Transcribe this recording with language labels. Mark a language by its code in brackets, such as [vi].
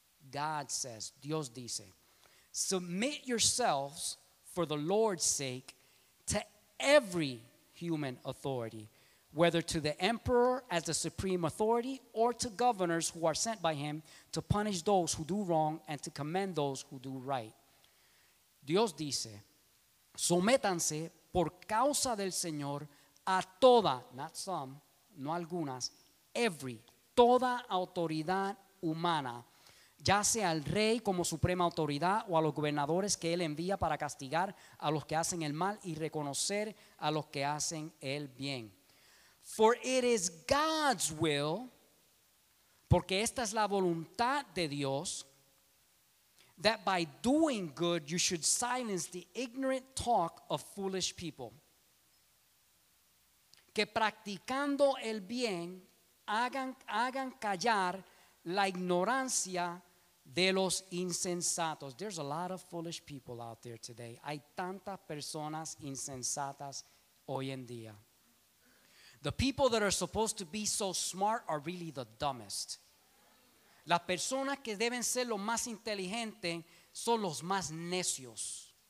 [en] God says, [es] Dios dice, [en] submit yourselves for the Lord's sake to every human authority, whether to the emperor as the supreme authority or to governors who are sent by him to punish those who do wrong and to commend those who do right. [es] Dios dice, sométanse por causa del Señor a toda, [en] not some, [es] no algunas, [en] every, [es] toda autoridad humana, ya sea al rey como suprema autoridad o a los gobernadores que él envía para castigar a los que hacen el mal y reconocer a los que hacen el bien. [en] For it is God's will, [es] porque esta es la voluntad de Dios, [en] that by doing good you should silence the ignorant talk of foolish people. [es] Que practicando el bien hagan callar la ignorancia de los insensatos. [en] There's a lot of foolish people out there today. [es] Hay tantas personas insensatas hoy en día. [en] The people that are supposed to be so smart are really the dumbest. [es] Las personas que deben ser los más inteligentes son los más necios.